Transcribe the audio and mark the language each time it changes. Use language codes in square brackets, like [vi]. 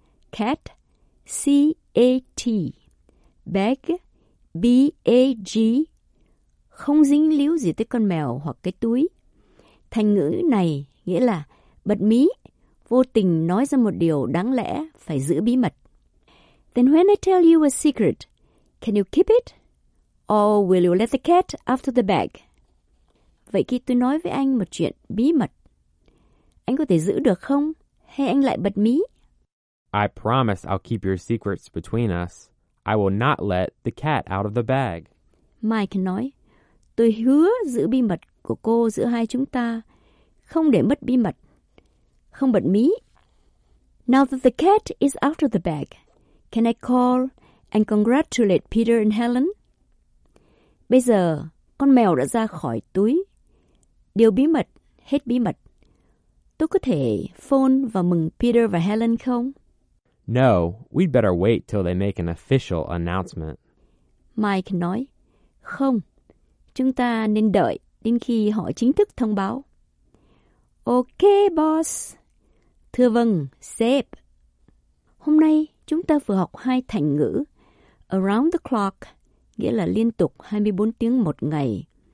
[en] Cat, C-A-T. Bag, B-A-G. [vi] Không dính líu gì tới con mèo hoặc cái túi. Thành ngữ này nghĩa là bật mí, vô tình nói ra một điều đáng lẽ phải giữ bí mật. [en] Then when I tell you a secret, can you keep it? Or will you let the cat out of the bag? [vi] Vậy khi tôi nói với anh một chuyện bí mật, anh có thể giữ được không? Hay anh lại bật mí? [en] I promise I'll keep your secrets between us. I will not let the cat out of the bag. [vi] Mike nói, tôi hứa giữ bí mật của cô giữa hai chúng ta, không để mất bí mật, không bật mí. [en] Now that the cat is out of the bag, can I call and congratulate Peter and Helen? [vi] Bây giờ, con mèo đã ra khỏi túi. Điều bí mật, hết bí mật. Tôi có thể phone và mừng Peter và Helen không? [en] No, we'd better wait till they make an official announcement. [vi] Mike nói, không, chúng ta nên đợi đến khi họ chính thức thông báo. [en] Ok, boss. [vi] Thưa vâng, sếp. Hôm nay, chúng ta vừa học hai thành ngữ. [en] Around the clock, [vi] nghĩa là liên tục 24 tiếng một ngày.